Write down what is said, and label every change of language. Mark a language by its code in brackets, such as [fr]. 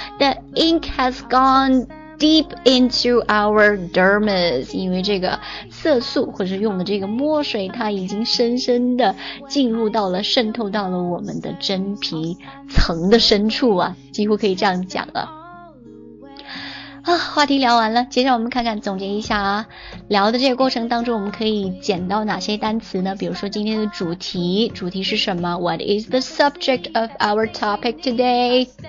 [en] The ink has gone deep into our dermis. [zh] 因为这个色素或者用的这个墨水，它已经深深的进入到了，渗透到了我们的真皮层的深处啊，几乎可以这样讲了。啊，话题聊完了，接下来我们看看总结一下啊，聊的这个过程当中我们可以捡到哪些单词呢？比如说今天的主题是什么？ [en] What is the subject of our topic today?